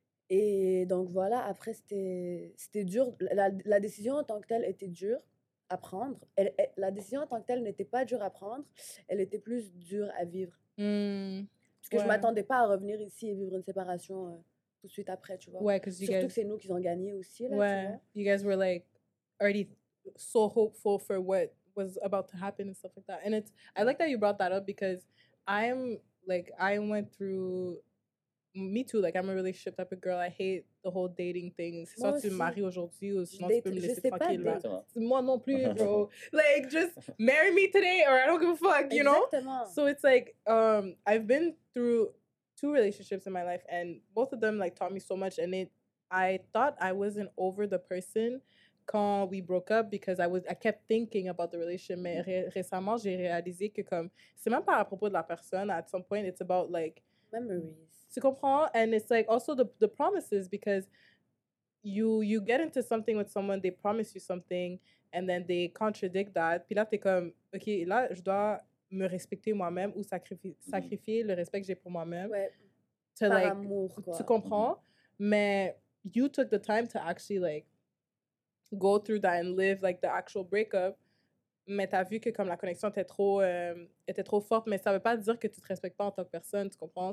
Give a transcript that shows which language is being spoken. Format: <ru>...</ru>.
<fr>Et donc voilà, après, c'était dur. La décision en tant que telle était dure à prendre. La décision en tant que telle n'était pas dure à prendre, elle était plus dure à vivre. Parce que je ne m'attendais pas à revenir ici et vivre une séparation tout de suite après, tu vois. Ouais, surtout que c'est nous qui avons gagné aussi. Là,</fr> <en>ouais, you guys were like already so hopeful for what was about to happen and stuff like that. And I like that you brought that up because I went through, me too, like I'm a relationship type of girl. I hate the whole dating thing.</en> <fr>C'est soit tu me maries aujourd'hui ou sinon tu peux me laisser fucking là. Moi non plus, bro.</fr> <en>Like, just marry me today or I don't give a fuck, you</en> <fr>Exactement.</fr> <en>Know? So it's like, I've been through two relationships in my life and both of them like taught me so much and I thought I wasn't over the person quand we broke up because I kept thinking about the relationship.</en> <fr>Mais récemment, j'ai réalisé que comme, c'est même pas à propos de la personne.</fr> <en>At some point, it's about like... memories.</en> <fr>Tu comprends?</fr> <en>And it's like also the promises because you get into something with someone, they promise you something and then they contradict that.</en> <fr>Puis là, t'es comme, OK, là, je dois me respecter moi-même ou sacrifier le respect que j'ai pour moi-même. Ouais. Par like, amour, quoi. Tu comprends?</fr> <en>Mais you took the time to actually like go through that and live like the actual breakup.</en> <fr>Mais t'as vu que comme la connexion était trop forte, mais ça veut pas dire que tu te respectes pas en tant que personne, tu comprends?</fr>